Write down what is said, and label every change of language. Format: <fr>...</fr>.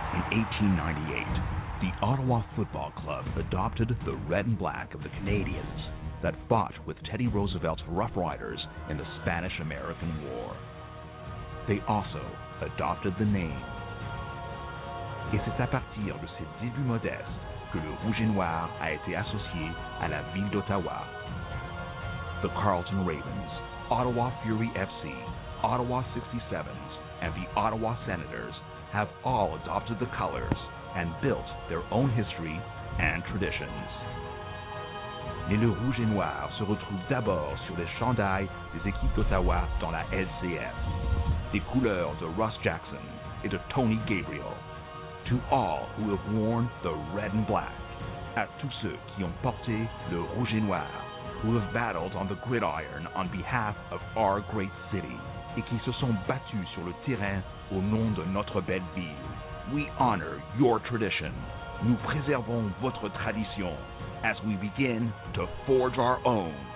<en>In 1898, the Ottawa Football Club adopted the red and black of the Canadians that fought with Teddy Roosevelt's Rough Riders in the Spanish-American War. They also adopted the name.</en> <fr>Et c'est à partir de ces débuts modestes que le rouge et noir a été associé à la ville d'Ottawa.</fr> <en>The Carleton Ravens, Ottawa Fury FC, Ottawa 67s, and the Ottawa Senators have all adopted the colors and built their own history and traditions.</en> <fr>Mais le rouge et noir se retrouve d'abord sur les chandails des équipes d'Ottawa dans la LCF. Les couleurs de Russ Jackson et de Tony Gabriel.</fr> <en>To all who have worn the red and black.</en> <fr>À tous ceux qui ont porté le rouge et noir,</fr> <en>who have battled on the gridiron on behalf of our great city,</en> <fr>et qui se sont battus sur le terrain au nom de notre belle ville.</fr> <en>We honor your tradition.</en> <fr>Nous préservons votre tradition</fr> <en>as we begin to forge our own.</en>